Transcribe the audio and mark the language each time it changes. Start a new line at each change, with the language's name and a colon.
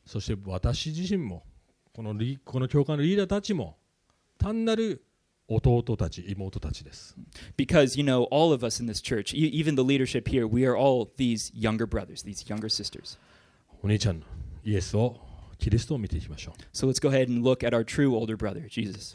Japanese: そして私自身もこの教会のリーダーたちも単なる弟たち妹たちです。
English: Because you know all of us in this church, even the leadership here, we are all these younger brothers, these younger sisters.
Japanese: お兄ちゃんイエスをキリストを見ていきましょう。
English: So let's go ahead and look at our true older brother, Jesus.